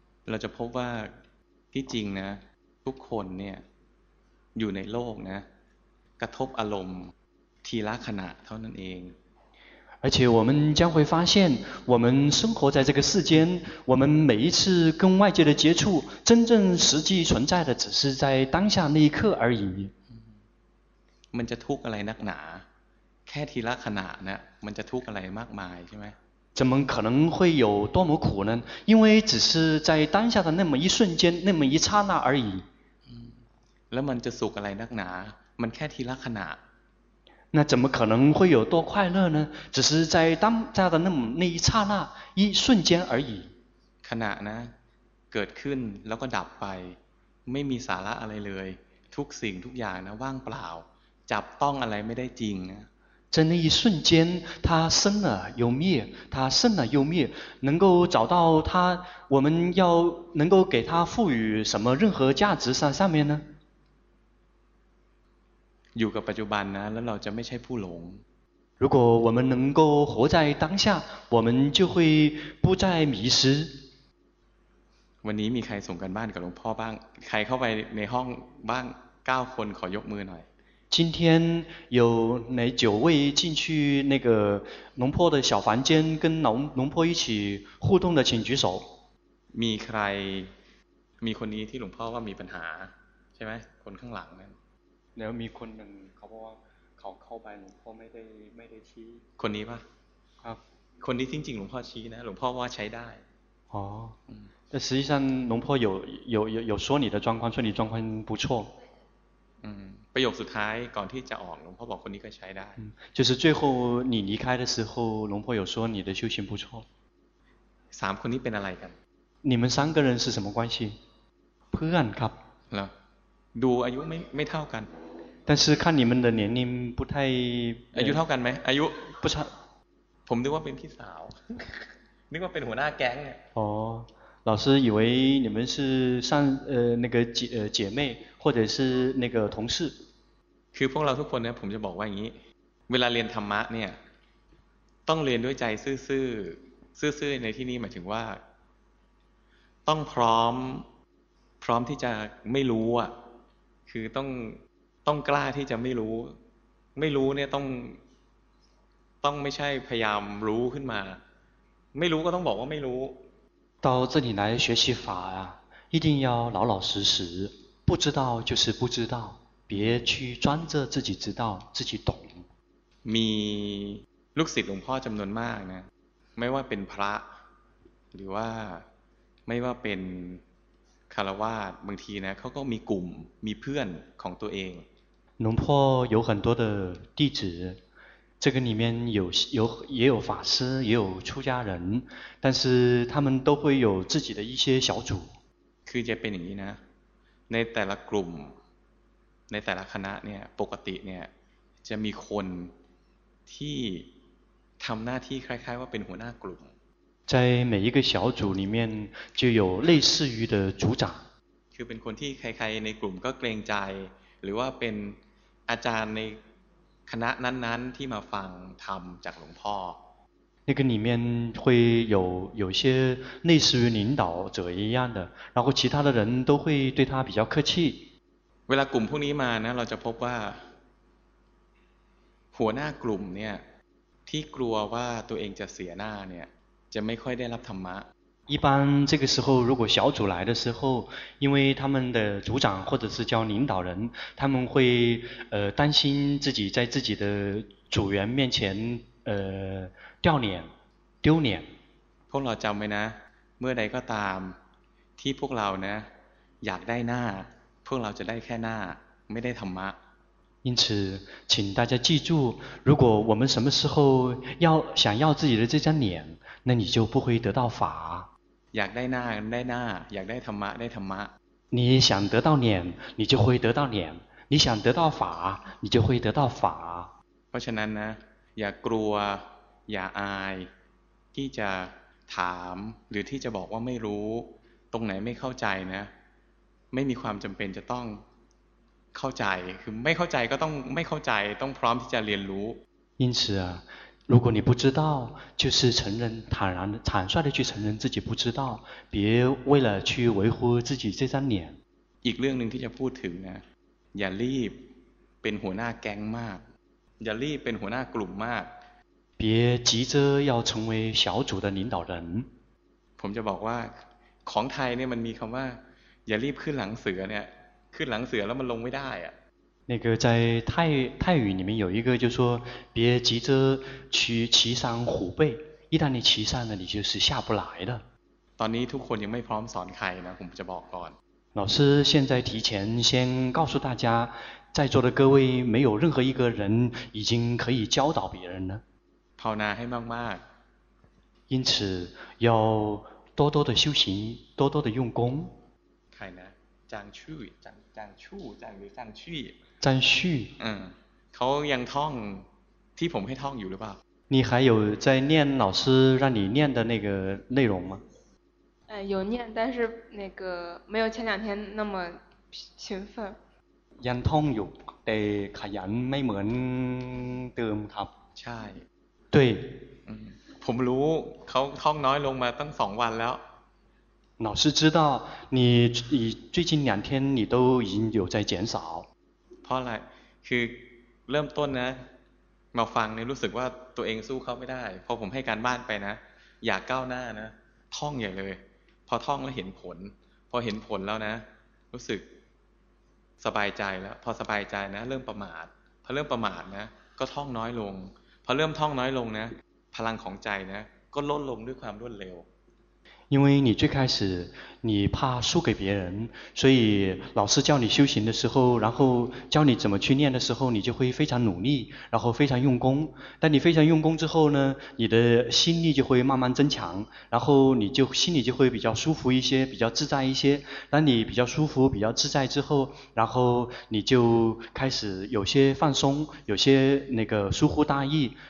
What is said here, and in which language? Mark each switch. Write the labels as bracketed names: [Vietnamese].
[Thai] เราจะพบว่าที่จริงนะทุกคนเนี่ยอยู่ในโลกนะกระทบอารมณ์ทีละขณะเท่านั้นเอง [Chinese] 而且我们将会发现我们生活在这个世间我们每一次跟外界的接触真正实际存在的只是在当下那一刻而已 [Thai] มันจะทุกข์อะไรนักหนาแค่ทีละขณะนะมันจะทุกข์อะไรมากมายใช่ไหม [Chinese] 怎么可能会有多么苦呢因为只是在当下的那么一瞬间那么一刹那而已 [Thai] แล้วมันจะสุขอะไรนักหนามันแค่ทีละขณะ [Chinese] 那怎么可能会有多快乐呢只是在当下的 那一刹那一瞬间而已 [Thai] ขณะนะเกิดขึ้นแล้วก็ดับไปไม่มีสาระอะไรเลยทุกสิ่งทุกอย่างนะว่างเปล่าจับต้องอะไรไม่ได้จริง ในนั้น [Chinese] 一瞬间它生了又灭它生了又灭能够找到它我们要能够给它赋予什么任何价值在上面呢 [Thai] อยู่กับปัจจุบันนะแล้วเราจะไม่ใช่ผู้หลง [Chinese] 如果我们能够活在当下我们就会不再迷失 [Thai] วันนี้มีใครส่งกันบ้านกับหลวงพ่อบ้างใครเข้าไปในห้องบ้าง9คนขอยกมือหน่อย [Chinese] 今天有哪九位进去那个龙坡的小房间跟龙坡一起互动的请举手 [Thai] มีใครมีคนนี้ที่หลวงพ่อว่ามีปัญหาใช่ไหมคนข้างหลังนั้น แล้วมีคนหนึ่งเขาบอกว่าเขาเข้าไปหลวงพ่อไม่ได้ชี้คนนี้ป่ะ ครับ คนนี้จริงๆหลวงพ่อชี้นะหลวงพ่อว่าใช้ได้ อ๋ อแต่ [Chinese] 实际上หลวงพ่อ有说你的状况说你状况不错 [Thai] ประโยคสุดท้ายก่อนที่จะออกหลวงพ่อบอกคนนี้ก็ใช้ได้ [Chinese] 就是最后你离开的时候หลวงพ่อ有说你的修行不错 [Thai] สามคนนี้เป็นอะไรกัน [Chinese] 你们三个人是什么关系 [Thai] เพื่อนครับ แล้วดูอายุไม่เท่ากัน [Chinese] 但是看你们的年龄不太 [Thai] อายุเท่ากันไหมอายุ [Chinese] 不差 [Thai] ผมนึกว่าเป็นพี่สาวนึกว่าเป็นหัวหน้าแก๊ง [Chinese] อ๋อ老师以为你们是上那个姐妹或者是那个同事 [Thai] คือพวกเราทุกคนเนี่ยผมจะบอกว่าอย่างนี้เวลาเรียนธรรมะเนี่ยต้องเรียนด้วยใจซื่อในที่นี้หมายถึงว่าต้องพร้อมที่จะไม่รู้อ่ะคือต้องกล้าที่จะไม่รู้เนี่ยต้องไม่ใช่พยายามรู้ขึ้นมาไม่รู้ก็ต้องบอกว่าไม่รู้ [Chinese] 到这里来学习法啊一定要老老实实不知道就是不知道别去装着自己知道自己懂 [Thai] มีลูกศิษย์หลวงพ่อจำนวนมากนะไม่ว่าเป็นพระหรือว่าไม่ว่าเป็นคารวาสบางทีนะเขาก็มีกลุ่มมีเพื่อนของตัวเอง [Chinese] หลวงพ่อ有很多的弟子这个里面也有法师也有出家人但是他们都会有自己的一些小组 [Thai] คือจะเป็นอย่างนี้นะในแต่ละกลุ่มในแต่ละคณะเนี่ยปกติเนี่ยจะมีคนที่ทำหน้าที่คล้ายๆว่าเป็นหัวหน้ากลุ่ม [Chinese] 在每一个小组里面就有类似于的组长 [Thai] คือเป็นคนที่ใครๆในกลุ่มก็เกรงใจหรือว่าเป็นอาจารย์ในคณะนั้นๆที่มาฟังธรรมจากหลวงพ่อ [Chinese] 那个里面会有些类似于领导者一样的然后其他的人都会对他比较客气 [Thai] เวลากลุ่มพวกนี้มานะเราจะพบว่าหัวหน้ากลุ่มเนี่ยที่กลัวว่าตัวเองจะเสียหน้าเนี่ยจะไม่ค่อยได้รับธรรมะ [Chinese] 一般这个时候如果小组来的时候因为他们的组长或者是叫领导人他们会担心自己在自己的组员面前掉脸丢脸 [Thai] พวกเราจำไว้นะเมื่อใดก็ตามที่พวกเรานะอยากได้หน้าพวกเราจะได้แค่หน้าไม่ได้ธรรมะ [Chinese] 因此请大家记住如果我们什么时候想要自己的这张脸那你就不会得到法 [Thai] อยากได้หน้าได้หน้าอยากได้ธรรมะได้ธรรมะ [Chinese] 你想得到脸你就会得到脸你想得到法你就会得到法 [Thai] เพราะฉะนั้นนะอย่ากลัวอย่าอายที่จะถามหรือที่จะบอกว่าไม่รู้ตรงไหนไม่เข้าใจนะไม่มีความจำเป็นจะต้องเข้าใจคือไม่เข้าใจก็ต้องไม่เข้าใจต้องพร้อมที่จะเรียนรู้ [Chinese] 因此如果你不知道就是承认坦率的去承认自己不知道别为了去维护自己这张脸 [Thai] อีกเรื่องนึงที่จะพูดถึงนะอย่ารีบเป็นหัวหน้าแก๊งมากอย่ารีบเป็นหัวหน้ากลุ่มมาก [Chinese] 别急着要成为小组的领导人 [Thai] ผมจะบอกว่าของไทยเนี่ยมันมีคำว่าอย่ารีบขึ้นหลังเสือเนี่ยขึ้นหลังเสือแล้วมันลงไม่ได้อะ [Chinese] 那个在泰语里面有一个就是说别急着去骑上虎背一旦你骑上了你就是下不来的 [Thai] ตอนนี้ทุกคนยังไม่พร้อมสอนใครนะผมจะบอกก่อน [Chinese] 老师现在提前先告诉大家在座的各位没有任何一个人已经可以教导别人了 [Thai] ภาวนาให้มาก [Chinese] ๆ因此要多多的修行多多的用功 [Thai] ใครนะจางชื่อจางชู่จางหรือจางชื่อ จางชื่ อเขายังท่องที่ผมให้ท่องอยู่หรือเปล่า [Chinese] 你还有在念老师让你念的那个内容吗有念但是那个没有前两天那么勤奋 [Thai] ยังท่องอยู่แต่ขยันไม่เหมือนเดิมครับ ใช่ [Chinese] 对 [Thai] ผมรู้เขาท่องน้อยลงมาตั้ง2วันแล้ว 老师知道你最近两天你都已经有在减少 เพราะอะไรคือเริ่มต้นนะมาฟังเนี่ยรู้สึกว่าตัวเองสู้เขาไม่ได้พอผมให้การบ้านไปนะอยากก้าวหน้านะท่องใหญ่เลยพอท่องแล้วเห็นผลพอเห็นผลแล้วนะรู้สึก สบายใจแล้วพอสบายใจนะเริ่มประมาทพอเริ่มประมาทนะก็ท่องน้อยลงพอเริ่มท่องน้อยลงนะพลังของใจนะก็ลดลงด้วยความรวดเร็ว [Chinese] 因为你最开始你怕输给别人所以老师教你修行的时候然后教你怎么去念的时候你就会非常努力然后非常用功但你非常用功之后呢你的心力就会慢慢增强然后你就心里就会比较舒服一些比较自在一些当你比较舒服比较自在之后然后你就开始有些放松有些那个疏忽大意